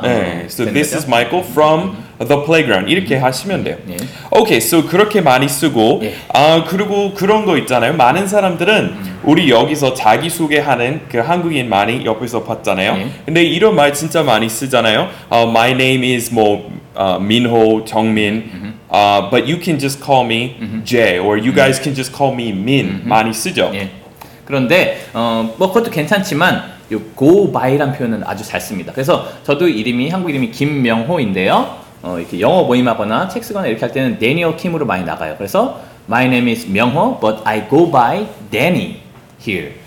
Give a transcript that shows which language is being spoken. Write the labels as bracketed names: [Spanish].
[Korean] 네. [English] so this is Michael from the playground [Korean] 이렇게 하시면 돼요. 예. [English] Okay, so [Korean] 그렇게 많이 쓰고 예. 아 그리고 그런 거 있잖아요. 많은 사람들은 우리 여기서 자기소개하는 그 한국인 많이 옆에서 봤잖아요. 예. 근데 이런 말 진짜 많이 쓰잖아요. [English] My name is [Korean] 뭐 [English] 민호, 정민. But you can just call me Jay, or you guys can just call me Min. [Korean] 많이 쓰죠. 예. 그런데 뭐 그것도 괜찮지만 이 go by란 표현은 아주 잘 씁니다. 그래서 저도 이름이 한국 이름이 김명호인데요. 이렇게 영어 모임하거나 책 쓰거나 이렇게 할 때는 Daniel Kim으로 많이 나가요. 그래서 [English] My name is 명호, but I go by Danny here.